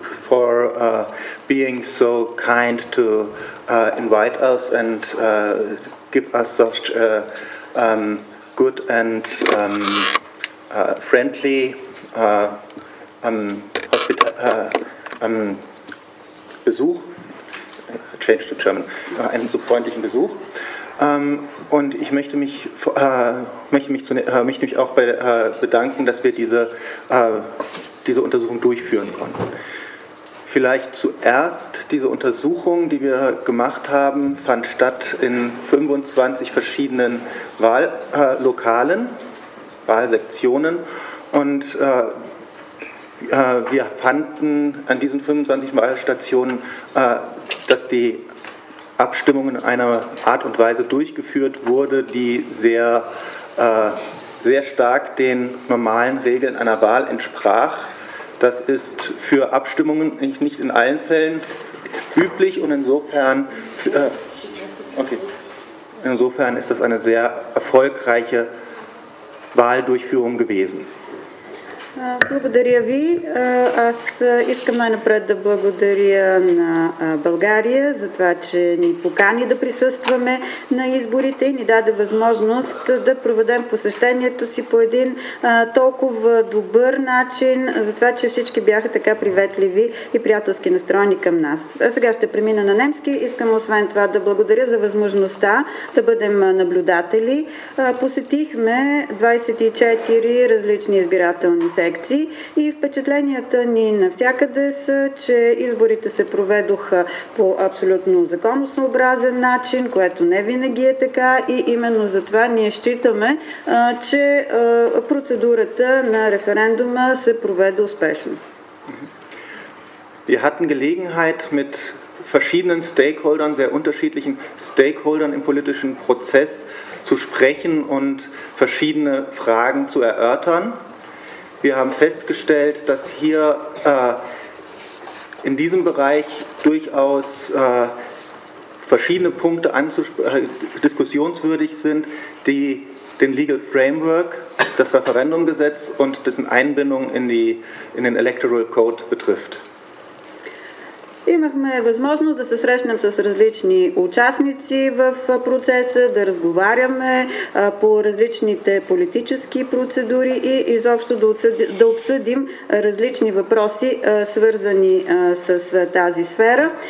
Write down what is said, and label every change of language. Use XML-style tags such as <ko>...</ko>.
<en>for being so kind to invite us and give us such a good and friendly Besuch. Change to German.</en> <de>Einen so freundlichen Besuch. Und ich möchte mich möchte mich auch bei, bedanken, dass wir diese diese Untersuchung durchführen konnten. Vielleicht zuerst: diese Untersuchung, die wir gemacht haben, fand statt in 25 verschiedenen Wahllokalen, Wahlsektionen, und wir fanden an diesen 25 Wahlstationen, dass die Abstimmung in einer Art und Weise durchgeführt wurde, die sehr, sehr stark den normalen Regeln einer Wahl entsprach. Das ist für Abstimmungen nicht in allen Fällen üblich, und insofern, insofern ist das eine sehr erfolgreiche Wahldurchführung gewesen.</de> <bg>Благодаря ви. Аз искам най-напред да благодаря на България за това, че ни покани да присъстваме на изборите и ни даде възможност да проведем посещението си по един толкова добър начин, за това, че всички бяха така приветливи и приятелски настроени към нас. А сега ще премина на немски. Искам освен това да благодаря за възможността да бъдем наблюдатели. Посетихме 24 различни избирателни секции. И впечатленията ни навсякъде са, че изборите се проведоха по абсолютно законосъобразен начин, което не винаги е така, и именно затова ние считаме, че процедурата на референдума се проведе успешно.</bg> <de>Wir hatten Gelegenheit mit verschiedenen Stakeholdern, sehr unterschiedlichen Stakeholdern im politischen Prozess zu sprechen und verschiedene Fragen zu erörtern. Wir haben festgestellt, dass hier in diesem Bereich durchaus verschiedene Punkte diskussionswürdig sind, die den Legal Framework, das Referendumgesetz und dessen Einbindung in den Electoral Code betrifft.</de> <bg>Имахме възможност да се срещнем с различни участници в процеса, да разговаряме по различните политически процедури и изобщо да обсъдим различни въпроси, свързани с тази сфера.</bg>